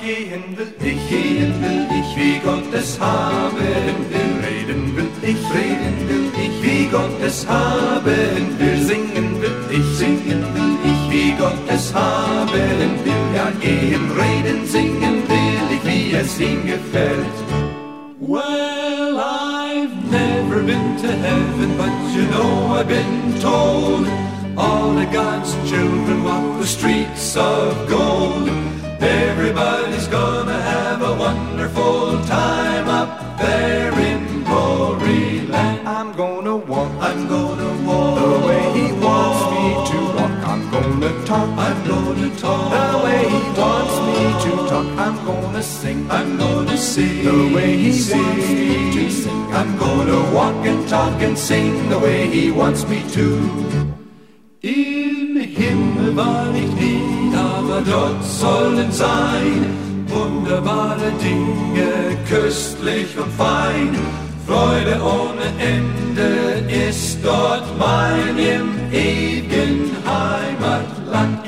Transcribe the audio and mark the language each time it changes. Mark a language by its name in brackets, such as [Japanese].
[German] Gehen will ich, wie Gott es haben will. Reden will ich, wie Gott es haben will. Singen will ich, wie Gott es haben will. Ja, gehen, reden, singen will ich, wie es ihm gefällt. [English] Well, I've never been to heaven, but you know I've been told all of God's children walk the streets of gold. Everybody's gonna have a wonderful time up there in glory land. I'm gonna walk the way he wants me to walk. I'm gonna talk the way he wants me to talk. I'm gonna sing the way he wants me to sing. I'm gonna walk and talk and sing the way he wants me to. [German] Im Himmel war ich nie, aber dort sollen sein wunderbare Dinge, köstlich und fein. Freude ohne Ende ist dort mein im ewigen Heimatland.